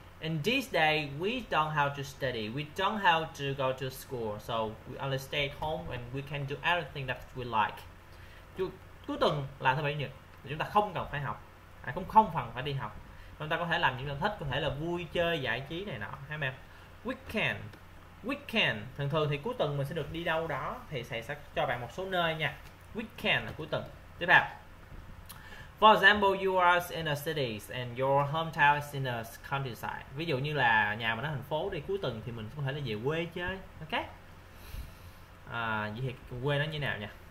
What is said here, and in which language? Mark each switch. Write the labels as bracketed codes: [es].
[en] In this day, we don't have to study. We don't have to go to school. So we only stay at home and we can do everything that we like. [vi] Cuối tuần là thứ bảy chủ nhật. Chúng ta không cần phải học, cũng không cần phải đi học. Chúng ta có thể làm những việc thích, có thể là vui chơi giải trí này nọ, hay không? Weekend, thường thường thì cuối tuần mình sẽ được đi đâu đó, thì thầy sẽ cho bạn một số nơi nha. Weekend là cuối tuần. Tiếp theo. [en] For example, you are in a city and your hometown is in a countryside. [vi] Ví dụ như là nhà mình ở thành phố đi, cuối tuần thì mình có thể là về quê chơi. Ok. Vậy thì quê nó như nào nha?